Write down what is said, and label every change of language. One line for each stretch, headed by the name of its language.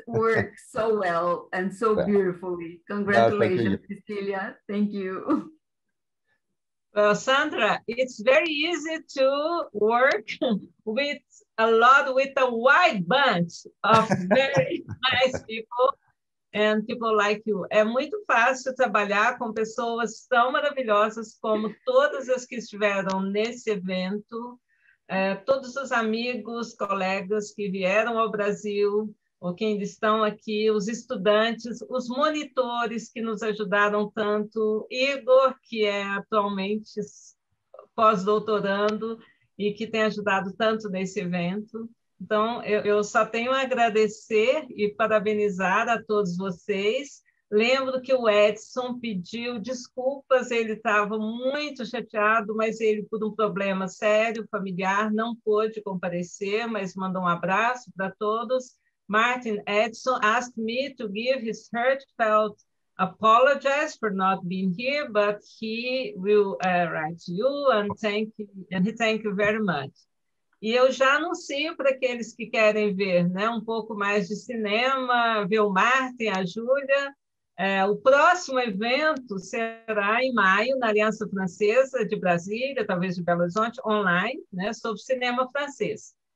English: Work so well and so beautifully. Congratulations, no, thank Cecilia. You. Thank you. Well, Sandra, it's very easy to work with a lot, with a wide bunch of very nice people and people like you.
Portuguese: É muito fácil trabalhar com pessoas tão maravilhosas como todas as que estiveram nesse evento, todos os amigos, colegas que vieram ao Brasil, ou que ainda estão aqui, os estudantes, os monitores que nos ajudaram tanto, Igor, que é atualmente pós-doutorando e que tem ajudado tanto nesse evento. Então, eu só tenho a agradecer e parabenizar a todos vocês. Lembro que o Edson pediu desculpas, ele estava muito chateado, mas ele, por um problema sério, familiar, não pôde comparecer, mas mandou um abraço para todos.
English: Martin Edson asked me to give his heartfelt apologies for not being here, but he will write to you and thank you, and he thank you very much.
Portuguese: E eu já anuncio para aqueles que querem ver, né, um pouco mais de cinema, ver o Martin, a Júlia. O próximo evento será em maio, na Aliança Francesa de Brasília, talvez de Belo Horizonte, online, né, sobre cinema francês.